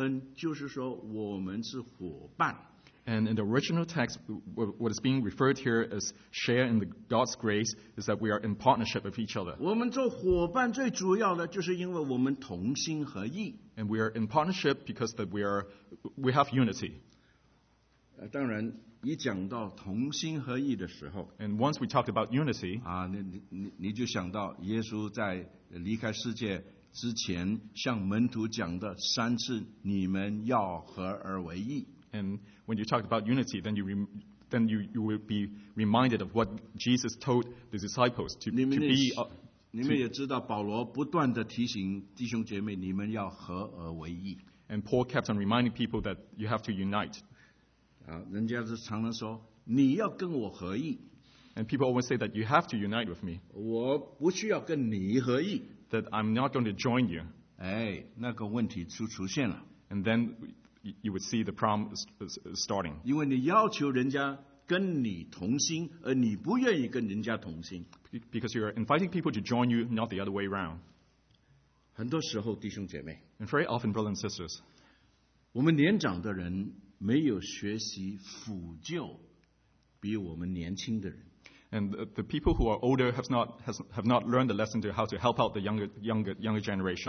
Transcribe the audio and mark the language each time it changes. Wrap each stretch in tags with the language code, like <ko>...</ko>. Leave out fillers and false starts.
<zh>那这个在原文的意思，一同的恩就是说我们是伙伴。</zh> <en>And in the original text, what is being referred here as share in the God's grace is that we are in partnership with each other.</en> <zh>我们做伙伴最主要的就是因为我们同心合意。</zh> <en>And we are in partnership because that we have unity.</en> <zh>当然。一讲到同心合意的时候,</zh> <en>and once we talk about unity,</en> <zh>你就想到耶稣在离开世界之前向门徒讲的三次你们要合而为一。</zh> <en>And when you talk about unity, then you will be reminded of what Jesus told the disciples to be. And Paul kept on reminding people that you have to unite.</en> <zh>人家是常常说你要跟我合意。</zh> <en>And people always say that you have to unite with me.</en> <zh>我不需要跟你合意。</zh> <en>That I'm not going to join you.</en> <zh>哎，那个问题出现了。</zh> <en>And then you would see the problem starting.</en> <zh>因为你要求人家跟你同心，而你不愿意跟人家同心。</zh> <en>Because you are inviting people to join you, not the other way around.</en> <zh>很多时候弟兄姐妹。</zh> <en>And very often, brothers and sisters,</en> <zh>我们年长的人。没有学习辅救比我们年轻的人。</zh> <en>And the people who are older have not learned the lesson to how to help out the younger generation.</en>